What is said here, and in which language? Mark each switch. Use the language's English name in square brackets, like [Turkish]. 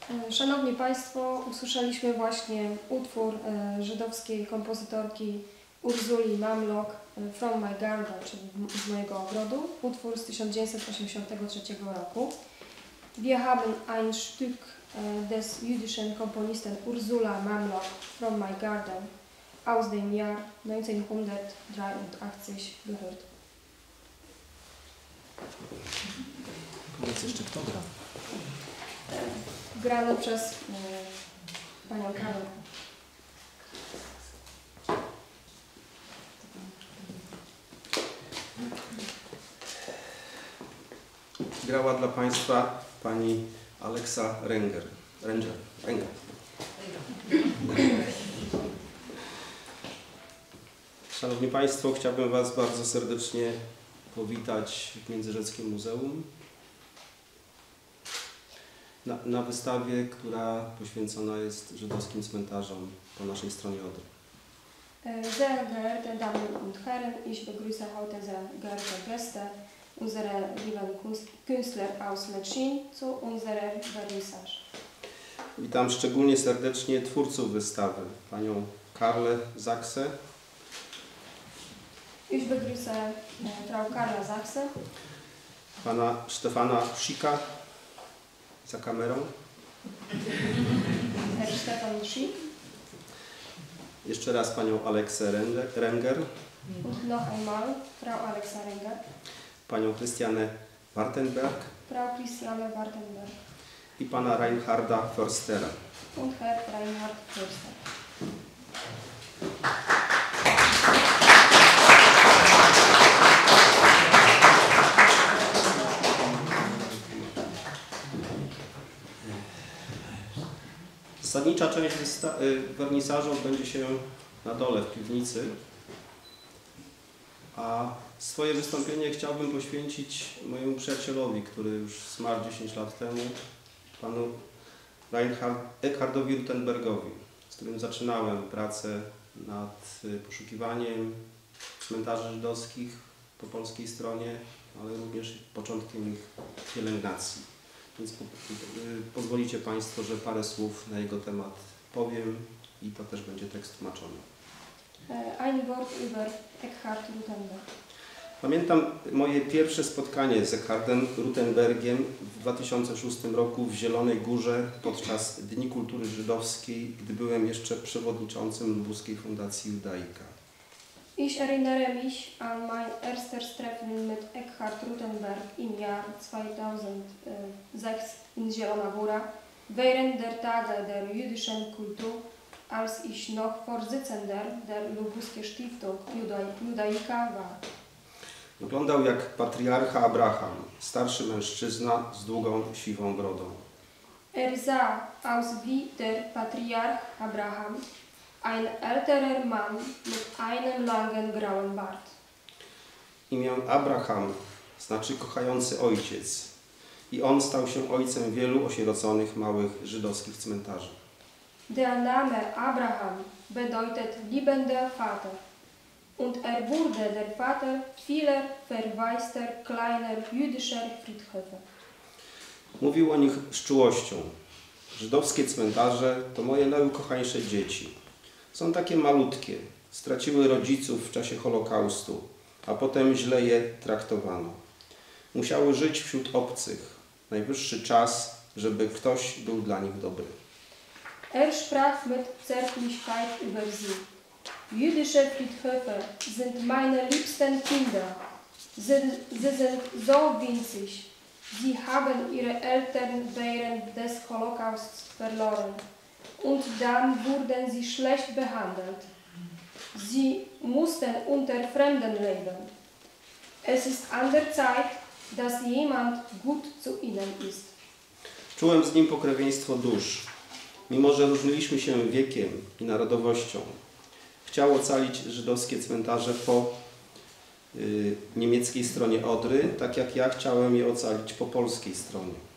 [Polish] Szanowni Państwo, usłyszeliśmy właśnie utwór żydowskiej kompozytorki Urzuli Mamlok From My Garden, czyli z mojego ogrodu. Utwór z 1983 roku. [German] Wir haben ein Stück des jüdischen Komponisten Urzula Mamlok From My Garden aus dem Jahr 1983 gehört. [Polish] Powiedz jeszcze, kto gra? Grano przez panią Karę. Grała dla Państwa pani Alexa Renger. Renger. Szanowni Państwo, chciałbym Was bardzo serdecznie powitać w Międzyrzeckim Muzeum. Na wystawie, która poświęcona jest żydowskim cmentarzom po naszej stronie Odry. [German] Sehr geehrte Damen und Herren, ich begrüße heute sehr geehrte Gäste, unsere lieben Künstler aus Lecin zu unserer Vernissage. [Polish] Witam szczególnie serdecznie twórców wystawy, panią Karle Sachse. [German] Ich begrüße Frau Karla Sachse. [Polish] Pana Stefana Schicka. Za kamerą. [German] Stefan Schick. [Polish] Jeszcze raz panią Alexę Renger. [German] Und noch einmal Frau Alexa Renger. [Polish] Panią Christiane Wartenberg. [German] Frau Christiane Wartenberg. [Polish] I pana Reinharda Förstera. [German] Und Herr Reinhard Förster. [Polish] Zasadnicza część wernisażu odbędzie się na dole, w piwnicy. A swoje wystąpienie chciałbym poświęcić mojemu przyjacielowi, który już zmarł 10 lat temu, panu Eckhardowi Rutenbergowi, z którym zaczynałem pracę nad poszukiwaniem cmentarzy żydowskich po polskiej stronie, ale również początkiem ich pielęgnacji. Więc pozwolicie Państwo, że parę słów na jego temat powiem i to też będzie tekst tłumaczony. [German] Ein Wort über Eckhard Rutenberg. [Polish] Pamiętam moje pierwsze spotkanie z Eckhardem Rutenbergiem w 2006 roku w Zielonej Górze podczas Dni Kultury Żydowskiej, gdy byłem jeszcze przewodniczącym Lubuskiej Fundacji Judaika. [German] Ich erinnere mich an mein erstes Treffen mit Eckhard Rutenberg im Jahr 2006 in Zielona Góra, während der Tage der jüdischen Kultur, als ich noch Vorsitzender der Lubuskie Stiftung Judaika war. [Polish] Wyglądał jak patriarcha Abraham, starszy mężczyzna z długą, siwą brodą. [German] Sah aus wie der Patriarch Abraham. Ein älterer Mann mit einem langen grauen Bart. [Polish] Imię Abraham znaczy kochający ojciec i on stał się ojcem wielu osieroconych małych żydowskich cmentarzy. [German] Der Name Abraham bedeutet liebender Vater und wurde der Vater vieler verwaister kleiner jüdischer Friedhöfe. [Polish] Mówił o nich z czułością. Żydowskie cmentarze to moje najukochańsze dzieci. Są takie malutkie, straciły rodziców w czasie Holokaustu, a potem źle je traktowano. Musiały żyć wśród obcych. Najwyższy czas, żeby ktoś był dla nich dobry. [German] Sprach mit Zärtlichkeit über sie. Jüdische Friedhöfe sind meine liebsten Kinder. Sie sind so winzig. Sie haben ihre Eltern während des Holokausts verloren. Und dann wurden sie schlecht behandelt. Sie mussten unter Fremden leben. Es ist an der Zeit, dass jemand gut zu ihnen ist. [Polish] Czułem z nim pokrewieństwo dusz, mimo że różniliśmy się wiekiem i narodowością. Chciał ocalić żydowskie cmentarze po niemieckiej stronie Odry, tak jak ja chciałem je ocalić po polskiej stronie.